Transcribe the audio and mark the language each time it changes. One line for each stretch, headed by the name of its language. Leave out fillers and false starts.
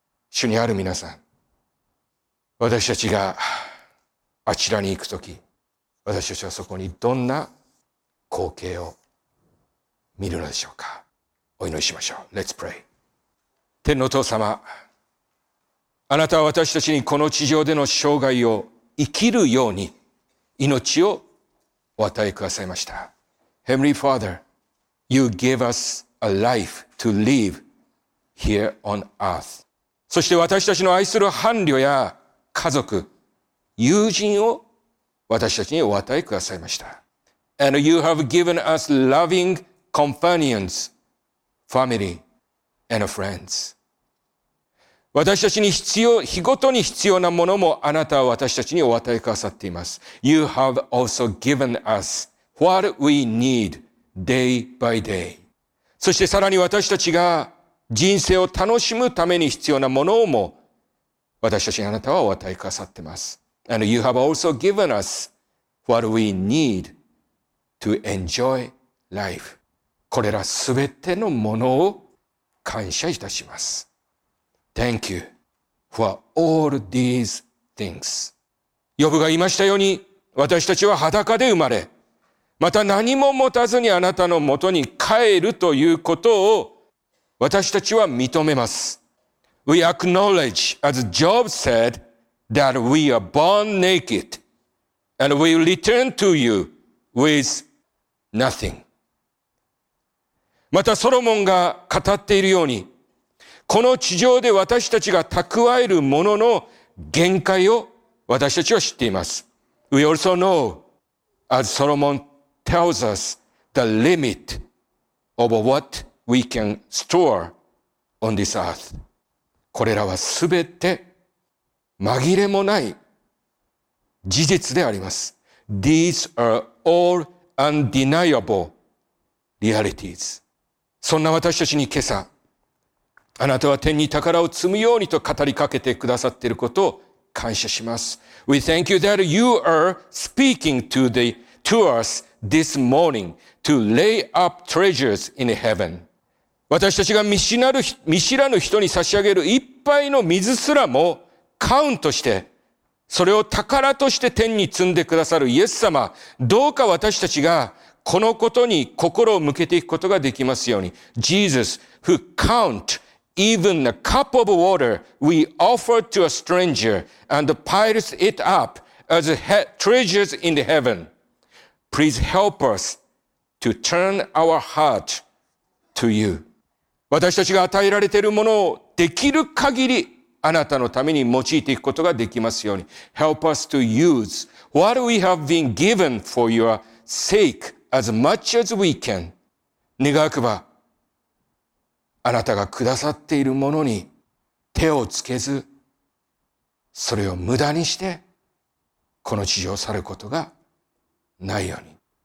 Japanese: 主にある皆さん、私たちがあちらに行くとき、私たちはそこにどんな光景を見るのでしょうか。お祈りしましょう。
English: Let's pray。
Japanese: 天の父様、あなたは私たちにこの地上での生涯を生きるように命をお与えくださいました。
English: Heavenly Father, You gave us a life to live here on earth.
Japanese: そして私たちの愛する伴侶や家族、友人を私たちにお与えくださいました。
English: And You have given us loving companions, family, and friends.
Japanese: 私たちに必要、日ごとに必要なものもあなたは私たちにお与えくださっています。
English: You have also given us what we need day by day.
Japanese: そしてさらに私たちが人生を楽しむために必要なものをも私たちにあなたはお与えくださっています。
English: And you have also given us what we need to enjoy life.
Japanese: これらすべてのものを感謝いたします。
English: Thank you for all these things.
Japanese: ヨブが言いましたように、私たちは裸で生まれ、また何も持たずにあなたのもとに帰るということを私たちは認めます。
English: We acknowledge, as Job said, that we are born naked, and we return to you with nothing.
Japanese: またソロモンが語っているように、この地上で私たちが蓄えるものの限界を私たちは知っています。
English: We also know, as Solomon tells us, the limit of what we can store on this earth.
Japanese: これらはすべて紛れもない事実であります。
English: These are all undeniable realities.
Japanese: そんな私たちに今朝、あなたは天に宝を積むようにと語りかけてくださっていることを感謝します。
English: We thank you that you are speaking to us this morning to lay up treasures in heaven.
Japanese: 私たちが見知らぬ人に差し上げる一杯の水すらもカウントして、それを宝として天に積んでくださるイエス様、どうか私たちがこのことに心を向けていくことができますように。
English: Jesus, who count even a cup of water we offer to a stranger and piles it up as treasures in the heaven. Please help us to turn our heart to you.
Japanese: 私たちが与えられているものをできる限りあなたのために用いていくことができますように。
English: Help us to use what we have been given for your sake as much as we can.
Japanese: 願わくば、あなたがくださっているものに手をつけず、それを無駄にして、この地上を去ることがないように。